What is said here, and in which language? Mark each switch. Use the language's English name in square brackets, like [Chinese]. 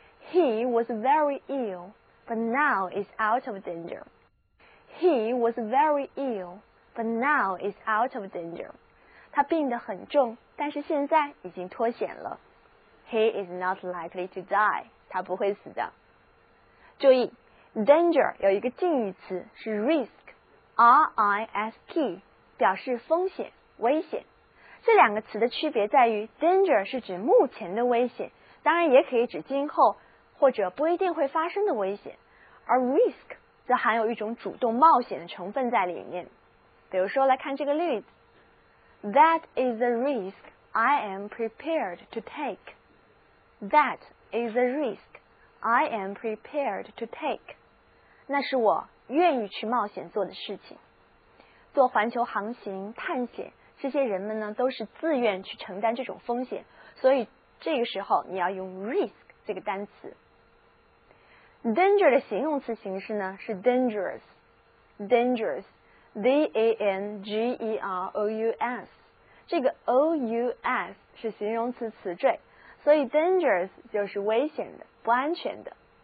[English] He was very ill, but now is out of danger. He was very ill, but now is out of danger. [Chinese] 他病得很重，但是现在已经脱险了。 [English] He is not likely to die. [Chinese] 他不会死的。注意 ，danger 有一个近义词是 risk, R-I-S-K， 表示风险。危险，这两个词的区别在于 danger 是指目前的危险，当然也可以指今后或者不一定会发生的危险，而 risk 则含有一种主动冒险的成分在里面。比如说来看这个例子， [English] That is a risk I am prepared to take. That is a risk I am prepared to take. [Chinese] 那是我愿意去冒险做的事情。做环球航行探险，这些人们呢都是自愿去承担这种风险，所以这个时候你要用 risk 这个单词。 Danger 的形容词形式呢是 dangerous， dangerous， D-A-N-G-E-R-O-U-S， 这个 O-U-S 是形容词词缀，所以 dangerous 就是危险的，不安全的。